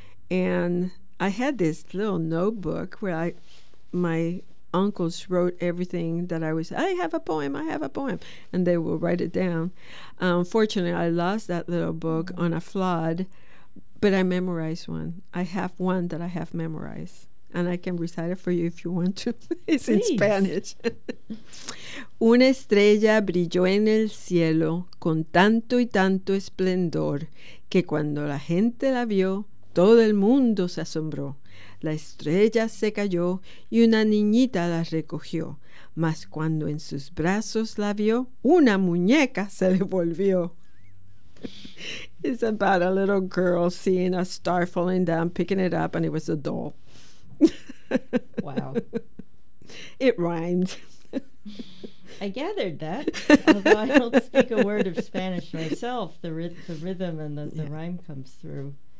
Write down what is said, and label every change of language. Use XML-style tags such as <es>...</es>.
<en>And I had this little notebook where my uncles wrote everything that I was, I have a poem, and they will write it down. Unfortunately, I lost that little book on a flood, but I memorized one. I have one that I have memorized, and I can recite it for you if you want to. It's in Spanish.</en> <es>Una estrella brilló en el cielo con tanto y tanto esplendor que cuando la gente la vio, todo el mundo se asombró. La estrella se cayó y una niñita la recogió. Mas cuando en sus brazos la vio, una muñeca se le volvió.</es> <en>It's about a little girl seeing a star falling down, picking it up, and it was a doll. Wow. It rhymed. I gathered that. Although I don't speak a word of Spanish myself, the rhythm and the rhyme comes through.</en>